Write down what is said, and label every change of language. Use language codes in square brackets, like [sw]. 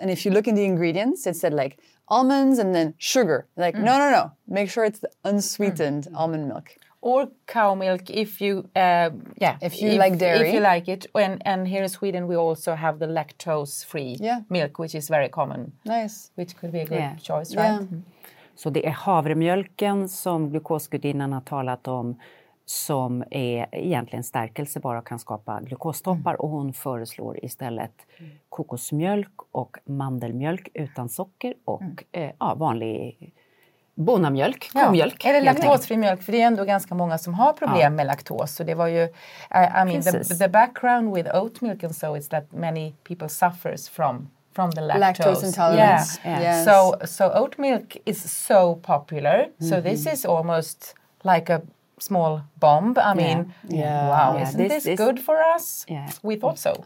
[en] And if you look in the ingredients, it said like almonds and then sugar. Like, no. Make sure it's the unsweetened almond milk. Or cow milk if you if you like dairy. If you like it. And here in Sweden, we also have the lactose-free milk, which is very common. Nice. Which could be a good choice, right? [sv] Så det är havremjölken som glukosgudinnan har talat om som är egentligen stärkelse bara kan skapa glukostoppar. Och hon föreslår istället kokosmjölk och mandelmjölk utan socker och vanlig bonamjölk, komjölk. Eller laktosfri mjölk, för det är ändå ganska många som har problem med laktos. Så det var ju, [en] I mean, the background with oat milk and so is that many people suffers from the lactose. Lactose intolerance. Yeah. Yes. So oat milk is so popular. Mm-hmm. So this is almost like a small bomb. I mean, isn't this good for us? Yeah. We thought so.